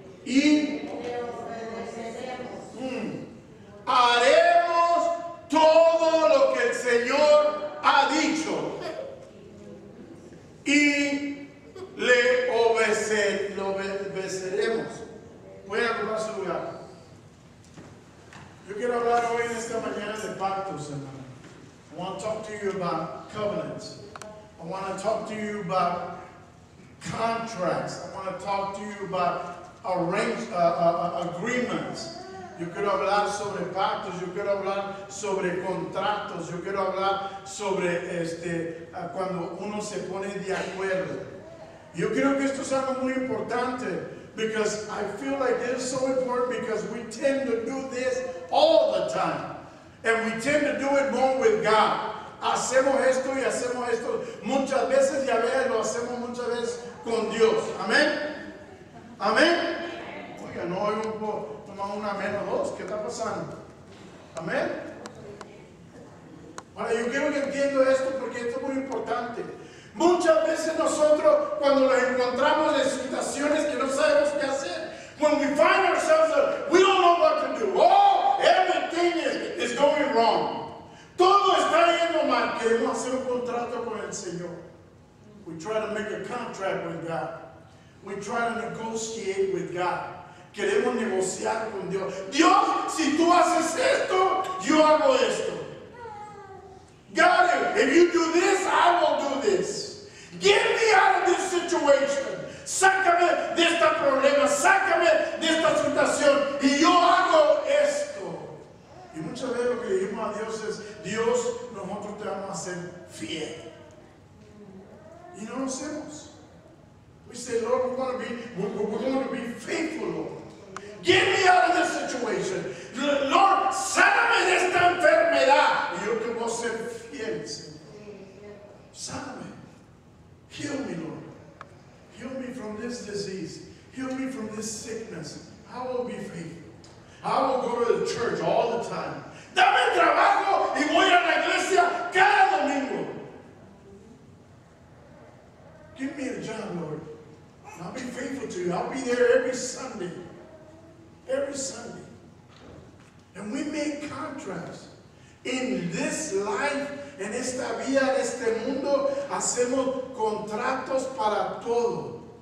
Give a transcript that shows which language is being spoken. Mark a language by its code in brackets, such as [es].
[es] Y haremos todo lo que el Señor ha dicho y le obedeceremos. Voy a tomar su lugar. Yo quiero hablar hoy en esta mañana de pactos, hermano. [en] I want to talk to you about covenants. I want to talk to you about contracts. I want to talk to you about agreements. [es] Yo quiero hablar sobre pactos, yo quiero hablar sobre contratos, yo quiero hablar sobre cuando uno se pone de acuerdo. [en] Yo creo que esto es algo muy importante, because I feel like this is so important because we tend to do this all the time. And we tend to do it more with God. [es] Hacemos esto y hacemos esto muchas veces y a veces lo hacemos muchas veces con Dios. Amén. Amén. Oiga, no oigo un poco. Una menos dos, ¿qué está pasando? Amén. Ahora, yo quiero que entiendo esto porque esto es muy importante. Muchas veces nosotros, cuando nos encontramos en situaciones que no sabemos qué hacer, when we find ourselves, we don't know what to do. [en] Oh, everything is going wrong. Todo está yendo mal. [es] Queremos hacer un contrato con el Señor. We try to make a contract with God. [en] We try to negotiate with God. Queremos negociar con Dios. [es] Dios, si tú haces esto, yo hago esto. [en] God, if you do this, I will do this. Get me out of this situation. Sácame de este problema. [es] Sácame de esta situación. Y yo hago esto. Y muchas veces lo que dijimos a Dios es, Dios, nosotros te vamos a hacer fiel. Y no lo hacemos. [en] We say, Lord, we're going to be faithful, Lord. Get me out of this situation. Lord, sáname de esta enfermedad. [es] Y yo te voy a ser fiel, Señor. [en] Sáname. Heal me, Lord. Heal me from this disease. Heal me from this sickness. I will be faithful. I will go to the church all the time. [es] Dame trabajo y voy a la iglesia cada domingo. [en] Give me a job, Lord. I'll be faithful to you. I'll be there every Sunday. Every Sunday. [es] And we make contracts. In this life, en esta vida, en este mundo, hacemos contratos para todo.